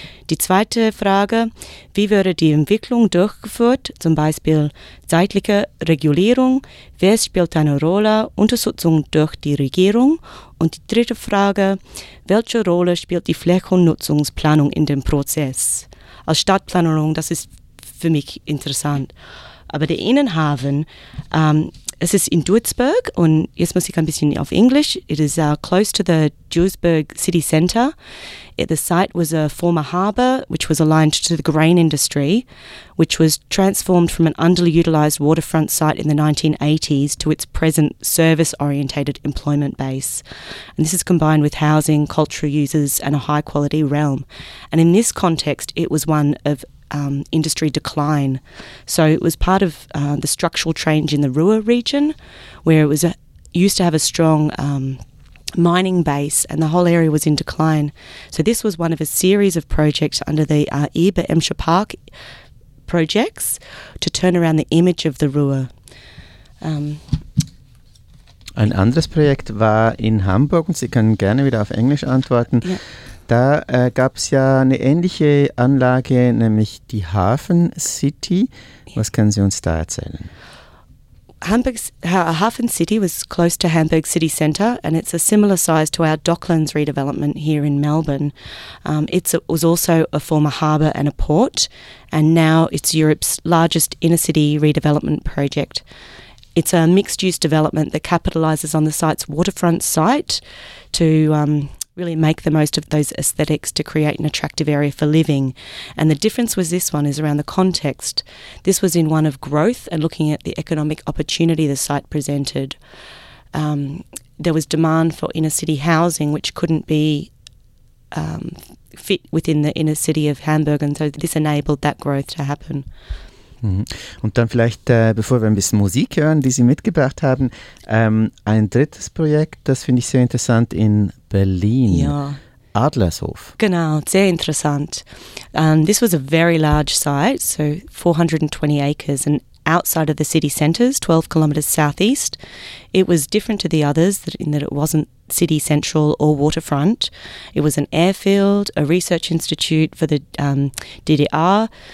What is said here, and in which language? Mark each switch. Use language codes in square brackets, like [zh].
[de] Die zweite Frage, wie würde die Entwicklung durchgeführt, zum Beispiel zeitliche Regulierung, wer spielt eine Rolle, Unterstützung durch die Regierung? Und die dritte Frage, welche Rolle spielt die Flächennutzungsplanung in dem Prozess? Als Stadtplanung, das ist für mich interessant. Aber der Innenhafen, es ist in Duisburg, und jetzt muss ich ein bisschen auf Englisch. [en] It is close to the Duisburg city center. The site was a former harbor, which was aligned to the grain industry, which was transformed from an underutilized waterfront site in the 1980s to its present service-oriented employment base. And this is combined with housing, cultural uses, and a high-quality realm. And in this context, it was one of industry decline. So it was part of the structural change in the Ruhr region, where it was used to have a strong mining base, and the whole area was in decline. So this was one of a series of projects under the Eber Emscher Park projects to turn around the image of the Ruhr. [de] Ein anderes Projekt war in Hamburg, und Sie können gerne wieder auf Englisch antworten. Yeah. Da gab es ja eine ähnliche Anlage, nämlich die Hafen City. Was können Sie uns da erzählen? [en] Hafen City was close to Hamburg City Centre, and it's a similar size to our Docklands redevelopment here in Melbourne. It was also a former harbour and a port, and now it's Europe's largest inner city redevelopment project. It's a mixed-use development that capitalises on the site's waterfront site to... really make the most of those aesthetics to create an attractive area for living. And the difference with this one is around the context. This was in one of growth and looking at the economic opportunity the site presented. There was demand for inner city housing, which couldn't be fit within the inner city of Hamburg. And so this enabled that growth to happen. [de] Und dann vielleicht, bevor wir ein bisschen Musik hören, die Sie mitgebracht haben, ein drittes Projekt, das finde ich sehr interessant, in Berlin, ja. Adlershof. Genau, sehr interessant. [en] This was a very large site, so 420 acres, and outside of the city centers, 12 kilometers southeast. It was different to the others in that it wasn't city central or waterfront. It was an airfield, a research institute for the DDR,